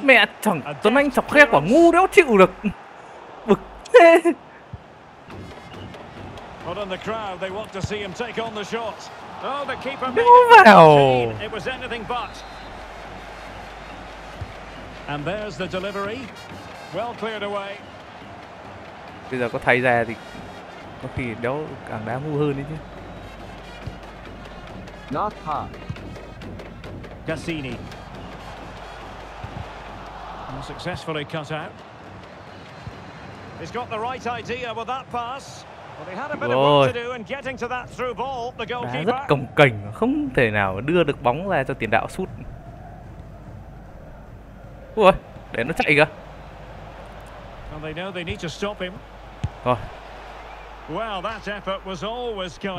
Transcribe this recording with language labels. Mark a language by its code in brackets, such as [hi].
[vi] Mẹ chẳng, Tuấn Anh chọc khe quả ngu đéo chịu được. Bực thế. [en] Put on the crowd, they want to see him take on the shot. Oh, the keeper made it. Wow. It was anything but. And there's the delivery. Well cleared away. [vi] Bây giờ có thay ra thì có khi đéo càng đá ngu hơn đấy chứ. [en] Not hard. Cassini. And successfully cut out. He's got the right idea with that pass. Well, he had a bit of work to do in getting to that through ball, the goalkeeper. [vi] Rất cồng kềnh, không thể nào đưa được bóng ra cho tiền đạo sút. Ui, để nó chạy kìa. [en] And they know they need to stop him. [vi] Rồi. [en] Well, that effort was always going